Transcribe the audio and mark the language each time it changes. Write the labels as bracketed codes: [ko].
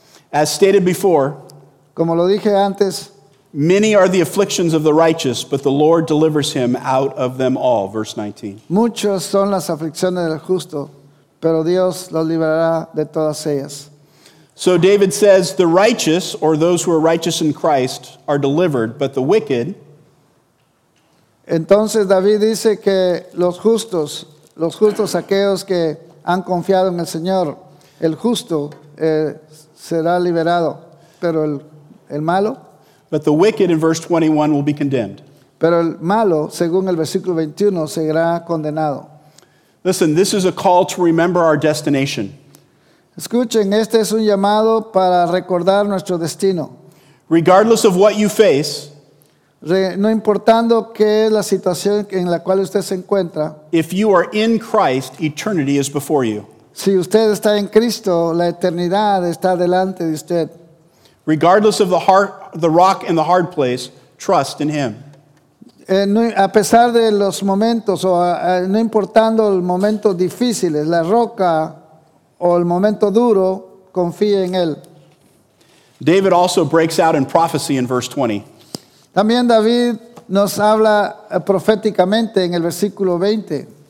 [en] As stated before, [es] como lo dije antes, [en] many are the afflictions of the righteous, but the Lord delivers him out of them all. Verse 19. [es] Muchos son las aflicciones del justo, pero Dios los librará de todas ellas. [en] So David says, the righteous, or those who are righteous in Christ, are delivered, but the wicked. [es] Entonces David dice que los justos aquellos que han confiado en el Señor, el justo será liberado, pero el malo. [en] But the wicked in verse 21 will be condemned. [es] Pero el malo, según el versículo 21, será condenado. [en] Listen, this is a call to remember our destination. [es] Escuchen, este es un llamado para recordar nuestro destino. [en] Regardless of what you face, [es] no importando qué es la situación en la cual usted se encuentra, [en] if you are in Christ, eternity is before you. [es] Si usted está en Cristo, la eternidad está delante de usted. [en] Regardless of the rock and the hard place, trust in Him. [es] A pesar de los momentos, o no importando los momentos difíciles, la roca o el momento duro, confíe en Él. [en] David also breaks out in prophecy in verse 20. [es] También David nos habla proféticamente en el versículo 20.